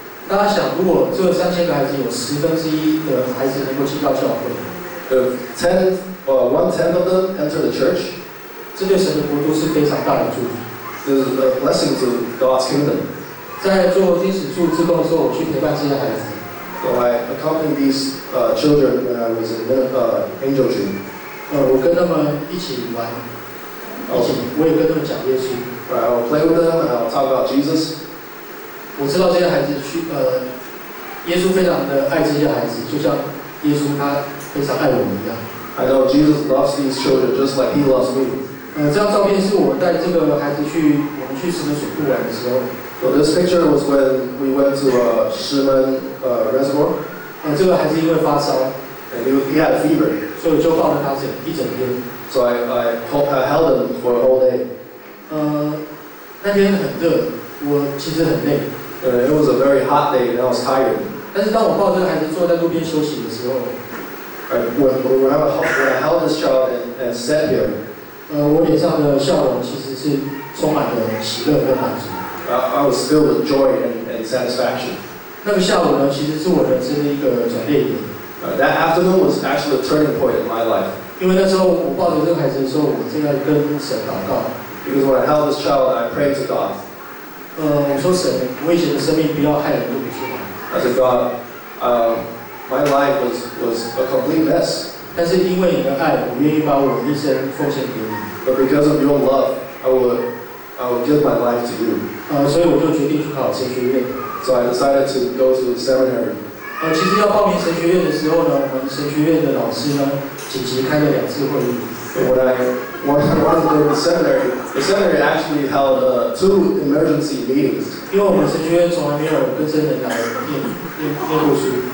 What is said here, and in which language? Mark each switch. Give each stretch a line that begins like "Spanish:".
Chinese: 大家想，如果这3000个孩子有1/10的孩子能够进到教会
English: ，If one-tenth of them enter the church,
Chinese: 这对神的国度是非常大的祝福。
English: This is a blessing to God's kingdom.
Chinese: 在做天使数志工的时候，我去陪伴这些孩子。
English: So I accompanied these children when I was in angel tree.
Chinese: 我跟他们一起玩，我也跟他们讲耶稣。
English: Right, I'll play with them and I'll talk about Jesus.
Chinese: 我知道这些孩子去耶稣非常的爱这些孩子，就像耶稣他非常爱我们一样。
English: I know Jesus loves these children just like He loves me.
Chinese: 这张照片是我带这个孩子去我们去石门水库玩的时候。
English: So this picture was when we went to a 石门reservoir.
Chinese: 这个孩子因为发烧
English: ，and he had a fever.
Chinese: 所以就抱着他一整天。
English: So I held him for a whole day.
Chinese: 那天很热，我其实很累。
English: It was a very hot day and I was tired.
Chinese: 但是当我抱这个孩子坐在路边休息的时候
English: ，when I held this child and sat here.
Chinese: 我脸上的笑容其实是充满了喜乐跟满足。
English: I was filled with joy and satisfaction.
Chinese: 那个下午呢，其实是我人生的一个转捩点。
English: That afternoon was actually a turning point in my life.
Chinese: 因为那时候我抱着这个孩子的时候，我正在跟神祷告。
English: Because when I held this child, I prayed to God.
Chinese: 我说神，我以前的生命不要害人都不出
English: 来。I said, God, my life was a complete mess.
Chinese: 但是因为你的爱，我愿意把我一生奉献给你。
English: But because of your love, I would give my life to you.
Chinese: 所以我就决定去考神学院。
English: So I decided to go to seminary.
Chinese: 其实要报名神学院的时候呢，我们神学院的老师呢，紧急开了两次会议。
English: When I wanted to go to the seminary actually held two emergency meetings.
Chinese: 因为我们神学院从来没有跟真人来念过书。